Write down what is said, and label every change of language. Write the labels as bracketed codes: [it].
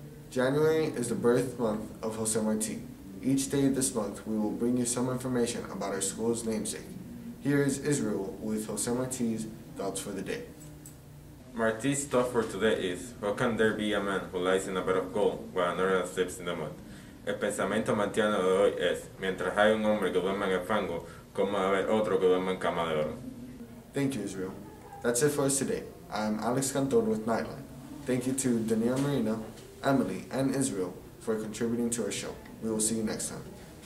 [en] January is the birth month of Jose Marti. Each day of this month, we will bring you some information about our school's namesake. Here is Israel with Jose Marti's thoughts for the day. Marti's thought for today is, how can there be a man who lies in a bed of gold while another sleeps in the mud? [es] El pensamiento martiano de hoy es, mientras hay un hombre que duerme en el fango, como haber otro que duerme en cama de oro. [en] Thank you, Israel. That's it for us today. I'm Alex Cantor with Knightline. Thank you to Daniel Marina, Emily, and Israel for contributing to our show. We will see you next time.